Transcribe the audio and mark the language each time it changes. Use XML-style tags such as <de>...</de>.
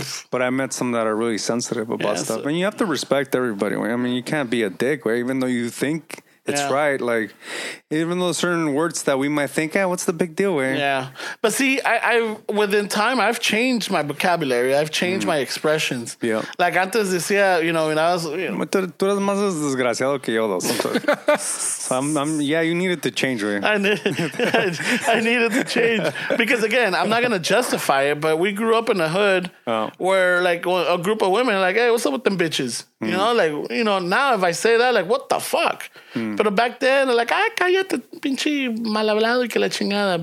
<en>But I met some that are really sensitive about stuff. And you have to respect everybody. Right? I mean, you can't be a dick, right? Even though you think it's right. Like, even though certain words that we might think, hey, what's the big deal, right? Yeah. But see, within time, I've changed my vocabulary. I've changed my expressions. Yeah. Like,</en> <es>antes decía,</es> <en>you know, when I was...</en> <es>Tú eres más desgraciado que yo,</es> <en>though, sometimes. So you needed to change, right? I needed to change. Because, again, I'm not going to justify it, but we grew up in a hood where, like, a group of women are like, hey, what's up with them bitches? You know, like, you know, now if I say that, like, what the fuck? Mm. But back then, like,</en> <es>ah, cállate, pinche mal hablado y que la chingada.</es>